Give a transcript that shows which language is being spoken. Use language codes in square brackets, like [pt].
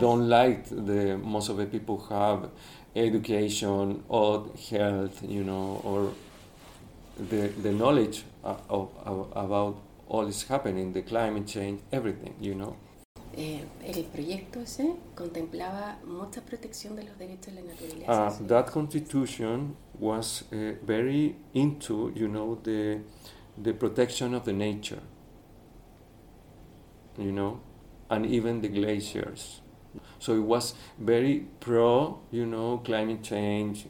[en] don't like the most of the people have education or health, you know, or the knowledge of about all is happening, the climate change, everything, you know. [es] El proyecto ese contemplaba mucha protección de los derechos de la naturaleza. [en] That constitution was very into, you know, the protection of the nature, you know, and even the glaciers. So it was very pro, you know, climate change.